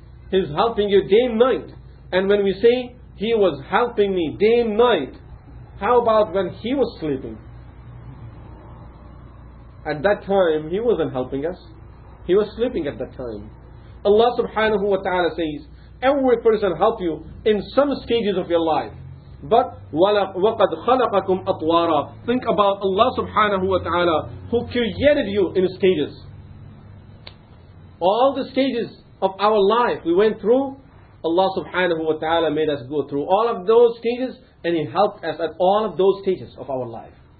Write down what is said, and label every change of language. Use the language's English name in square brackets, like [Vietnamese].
[English] He's helping you day and night. And when we say, he was helping me day and night, how about when he was sleeping? At that time, he wasn't helping us. He was sleeping at that time. Allah subhanahu wa ta'ala says, every person help you in some stages of your life. [Arabic] But وَقَدْ خَلَقَكُمْ أَطْوَارًا. [English] Think about Allah subhanahu wa ta'ala who created you in stages. All the stages of our life we went through, Allah subhanahu wa ta'ala made us go through all of those stages, and He helped us at all of those stages of our life.